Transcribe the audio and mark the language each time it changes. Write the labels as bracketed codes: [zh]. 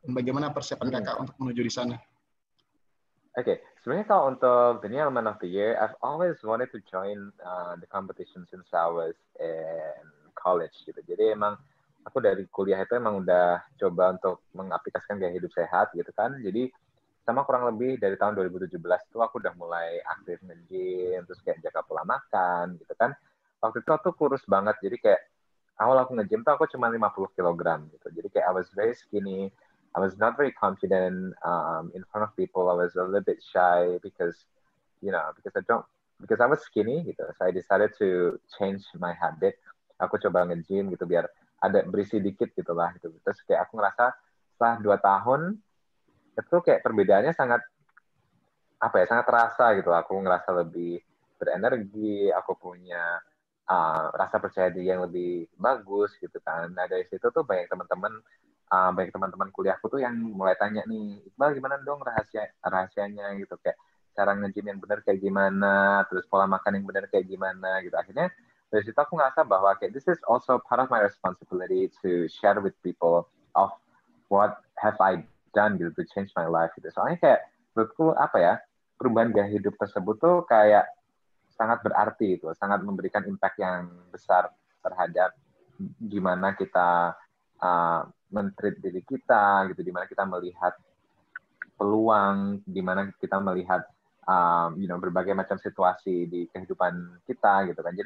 [id] Bagaimana persiapan kakak untuk menuju di sana? [en] Okay, [id] sebenarnya kalau untuk [en] the new element of the year, I've always wanted to join the competition since I was in college gitu. [id] Jadi emang aku dari kuliah itu emang udah coba untuk mengaplikasikan gaya hidup sehat gitu kan. Jadi sama kurang lebih dari tahun 2017 itu aku udah mulai aktif nge-gym, terus kayak jaga pola makan gitu kan. Waktu itu aku kurus banget, jadi kayak awal aku nge-gym tuh aku cuma 50 kg gitu. Jadi kayak [en] I was very skinny, I was not very confident in front of people, I was a little bit shy because, you know, because I was skinny gitu. So I decided to change my habit. [id] Aku coba nge-gym gitu biar ada berisi dikit gitu lah gitu. Terus kayak aku ngerasa setelah 2 tahun, itu kayak perbedaannya sangat apa ya, sangat terasa gitu. Aku ngerasa lebih berenergi, aku punya rasa percaya diri yang lebih bagus gitu kan. Nah dari situ tuh banyak teman-teman kuliahku tuh yang mulai tanya nih, Iqbal gimana dong rahasianya gitu, kayak cara nge-gym yang benar kayak gimana, terus pola makan yang benar kayak gimana gitu. Akhirnya dari situ aku ngerasa bahwa kayak [en] this is also part of my responsibility to share with people of what have I done gitu, to change my life gitu. [id] Soalnya kayak menurutku apa ya, perubahan gaya hidup tersebut tuh kayak sangat berarti itu, sangat memberikan impact yang besar terhadap gimana kita men-treat diri kita gitu, gimana kita melihat peluang, gimana kita melihat [en] you know, [id] berbagai macam situasi di kehidupan kita gitu kan.